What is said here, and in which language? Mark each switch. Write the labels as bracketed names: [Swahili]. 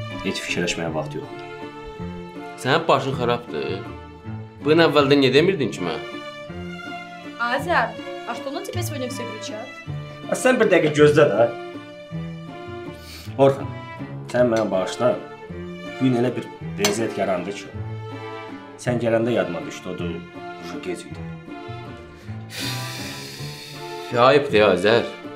[Azerbaijani] Heç fikirləşməyə vaxt yox. Sənin başın xarabdır. Bugün əvvəldə nə demirdin ki mən? [Russian] Azər, a что на тебе сегодня все кричат? [Azerbaijani] A sən bir dəqiqə gözlə də. Orxan, sən mənə bağışla. Bugün elə bir vəziyyət yarandı ki. Sən gələndə yadıma düşdü, o da uşu gec idi. Ayıbdır ya Azər.